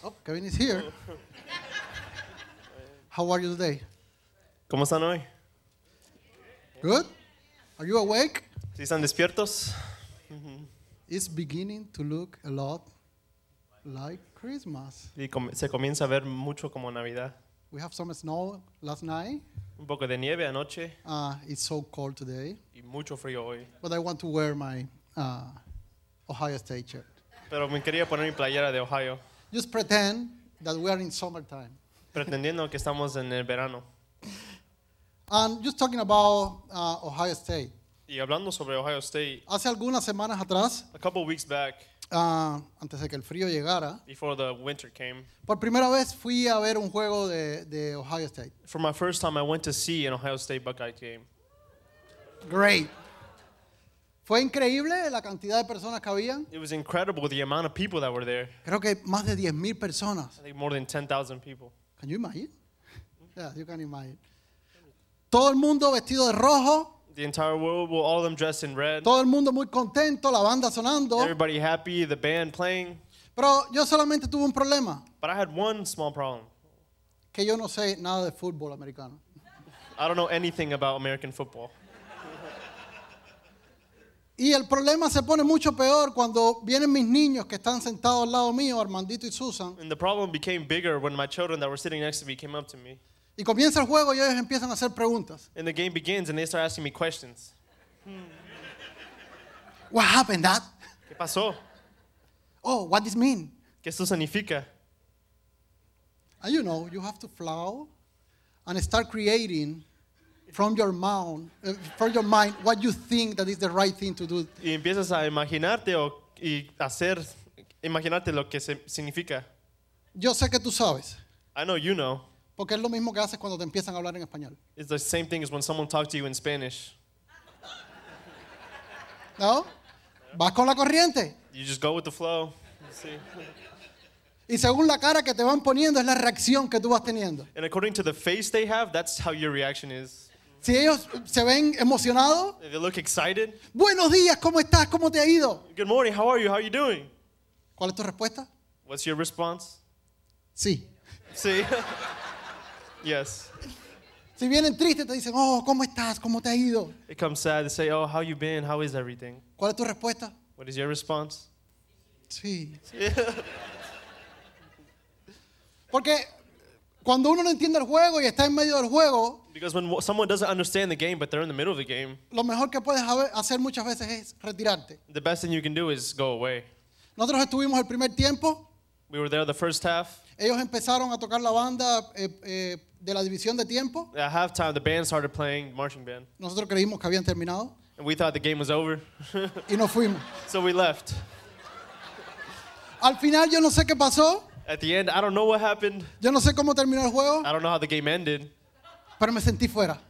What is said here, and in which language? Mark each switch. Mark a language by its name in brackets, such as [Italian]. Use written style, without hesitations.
[English] Oh, Kevin is here. How are you today? [Spanish] ¿Cómo están hoy? [English] Good. Are you awake? [Spanish] ¿Sí están despiertos? [English] It's beginning to look a lot like Christmas. [Spanish] Y se comienza a ver mucho como Navidad. [English] We have some snow last night. [Spanish] Un poco de nieve anoche. [English] It's so cold today. [Spanish] Y mucho frío hoy. [English] But I want to wear my Ohio State shirt. [Spanish] Pero me quería poner mi playera de Ohio. [English] Just pretend that we are in summertime. [Spanish] Pretendiendo que estamos en el verano. [English] And just talking about Ohio State. [Spanish] Y hablando sobre Ohio State. Hace algunas semanas atrás. [English] A couple weeks back. [Spanish] Antes de que el frío llegara. [English] Before the winter came. [Spanish] Por primera vez fui a ver un juego de Ohio State. [English] For my first time, I went to see an Ohio State Buckeye game. Great. [Spanish] Fue increíble la cantidad de personas que habían. [English] It was incredible the amount of people that were there. [Spanish] Creo que más de 10,000 personas. [English] I think more than 10,000 people. Can you imagine? Yeah, you can imagine. [Spanish] Todo el mundo vestido de rojo. [English] The entire world, well, all of them dressed in red. [Spanish] Todo el mundo muy contento, la banda sonando. [English] Everybody happy, the band playing. [Spanish] Pero yo solamente tuve un problema. [English] But I had one small problem. [Spanish] Que yo no sé nada de fútbol americano. [English] I don't know anything about American football. [Spanish] Y el problema se pone mucho peor cuando vienen mis niños que están sentados al lado mío, Armandito y Susan. [English] And the problem became bigger when my children that were sitting next to me came up to me. [Spanish] Y comienza el juego y ellos empiezan a hacer preguntas. [English] And the game begins and they start asking me questions. What happened, Dad? [Spanish] ¿Qué pasó? [English] Oh, what does it mean? [Spanish] ¿Qué esto significa? [English] And you know, you have to flow and start creating from your mind what you think that is the right thing to do. [Spanish] Y empiezas a imaginarte o y hacer imaginarte lo que significa. Yo sé que tú sabes. [English] I know you know. [Spanish] Porque es lo mismo que haces cuando te empiezan a hablar en español. [English] It's the same thing as when someone talks to you in Spanish. [Spanish] No? Vas con la corriente. [English] You just go with the flow. See. [Spanish] Y según la cara que te van poniendo es la reacción que tú vas teniendo. [English] And according to the face they have, that's how your reaction is. [Spanish] Si ellos se ven emocionados. [English] If they look excited. [Spanish] Buenos días, ¿cómo estás? ¿Cómo te ha ido? [English] Good morning, how are you? How are you doing? [Spanish] ¿Cuál es tu respuesta? [English] What's your response? [Spanish] Sí. Sí. [English] Yes. [Spanish] Si vienen tristes te dicen, "Oh, ¿cómo estás? ¿Cómo te ha ido?" [English] They come sad and say, "Oh, how you been? How is everything?" [Spanish] ¿Cuál es tu respuesta? [English] What is your response? [Spanish] Sí. Porque cuando uno no entiende el juego y está en medio del juego, [English] because when someone doesn't understand the game but they're in the middle of the game, [Spanish] lo mejor que puedes hacer muchas veces es retirarte. [English] The best thing you can do is go away. [Spanish] Nosotros estuvimos el primer tiempo. [English] We were there the first half. [Spanish] Ellos empezaron a tocar la banda de la división de tiempo. [English] At halftime, the band started playing, marching band. [Spanish] Nosotros creímos que habían terminado. [English] And we thought the game was over. [Spanish] Y nos fuimos. [English] So we left. [Spanish] Al final, yo no sé qué pasó. [English] At the end, I don't know what happened. [Spanish] Yo no sé cómo terminó el juego. [English] I don't know how the game ended. [Spanish] Pero me sentí fuera.